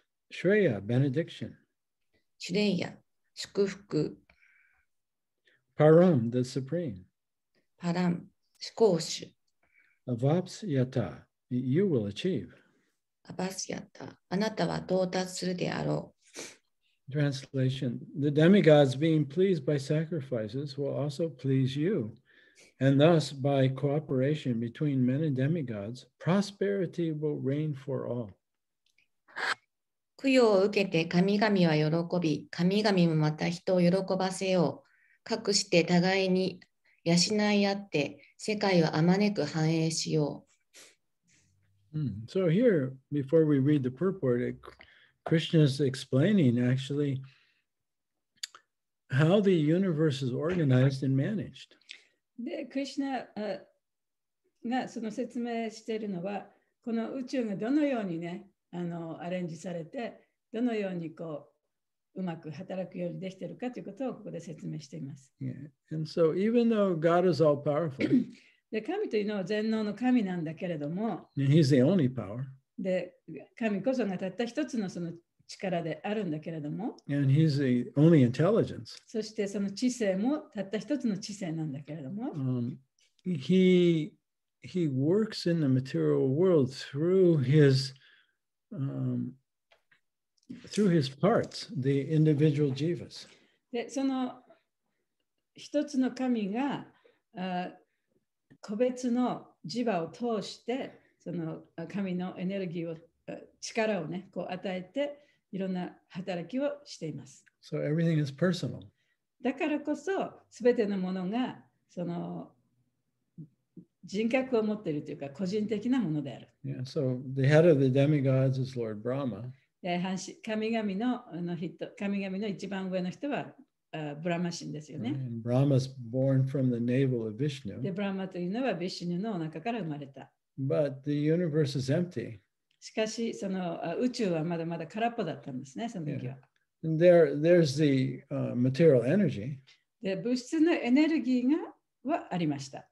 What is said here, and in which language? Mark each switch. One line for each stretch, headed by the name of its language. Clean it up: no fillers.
English: シュレイヤ、benediction。
Japanese: シュレイヤ、祝福。
English: パラム、the supreme。
Japanese: パラム、至高主。
English: アバプスヤタ、you will achieve。
Japanese: アバスヤタ、あなたは到達するであろう。
English: Translation: The demigods, being pleased by sacrifices, will also please you. And thus, by cooperation between men and demigods, prosperity will reign for all.
Japanese: 供養を受けて神々は喜び、神々もまた人を喜ばせよう。かくして互いに養い合って、世界をあまねく繁栄しよう。
English: So here, before we read the purport, Krishna is explaining actually how the universe is organized and managed.
Japanese: で、Krishna がその説明しているのは、この宇宙がどのようにね、アレンジされて、どのようにこう、うまく働くようにできているかということをここで説明しています。
English: Yeah. And so even though God is all powerful,
Japanese: で、神というのは全能の神なんだけれども、
English: and he's the only power.
Japanese: で神こそがたった一つのその力であるんだけれども、
English: and he's the only intelligence.
Japanese: そしてその知性もたった一つの知性なんだけれども、
English: he works in the material world through his through his parts, the individual jivas.
Japanese: でその一つの神が個別のジバを通して。その神のエネルギーを力をねこう与えていろんな働きをしています。
English: So everything is personal.
Japanese: だからこそすべてのものがその人格を持っているというか個人的なものである。
English: Yeah, so the head of the demigods is Lord Brahma.
Japanese: 神々の一番上の人はブラマ神ですよね。
English: Brahma is born from the navel of Vishnu.
Japanese: でブラマというのはヴィシュヌのお腹から生まれた。
English: But the universe is empty.
Japanese: しかしその宇宙はまだまだ空っぽだったんですね、その時は。 Yeah.
English: There's the material energy.
Japanese: で、物質のエネルギーがはありました。